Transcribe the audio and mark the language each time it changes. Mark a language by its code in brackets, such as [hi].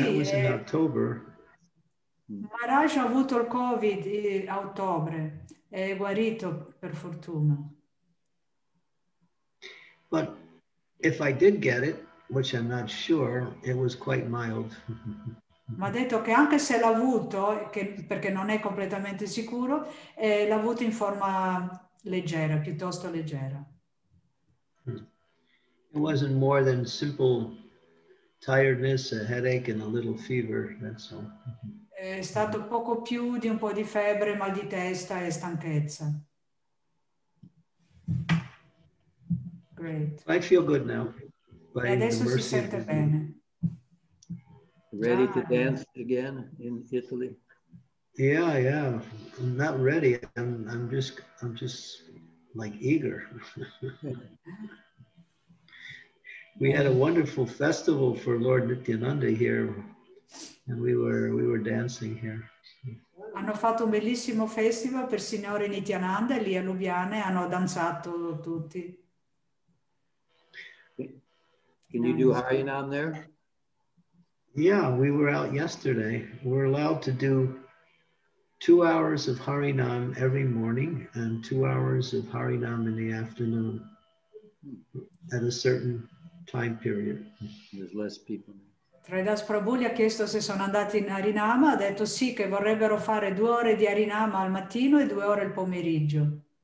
[en] that was in October. [it] Maharaj ha avuto il COVID a ottobre. È guarito, per fortuna. [en] But if I did get it, which I'm not sure, it was quite mild. [it] Ma ha detto che anche se l'ha avuto, perché non è completamente sicuro, l'ha avuto in forma leggera, piuttosto leggera. [en] It wasn't more than simple tiredness, a headache and a little fever, that's all. [it] È stato poco più di un po' di febbre, mal di testa e stanchezza. [en] Great. I feel good now. [it] E adesso si sente bene. [en] Ready to dance again in Italy? Yeah, yeah. I'm not ready. I'm just like eager. We had a wonderful festival for Lord Nityananda here, and we were dancing here. [it] Hanno fatto un bellissimo festival per Signore Nityananda lì a Lubiana e hanno danzato tutti. [en] Can you do Harinam there? Yeah, we were out yesterday. We're allowed to do 2 hours of Harinam every morning and 2 hours of Harinam in the afternoon at a certain time period. There's less people. [it] Tridas Prabhu gli ha chiesto se sono andati in Harinama, ha detto sì, che vorrebbero fare 2 ore di Harinama al mattino e 2 ore il pomeriggio.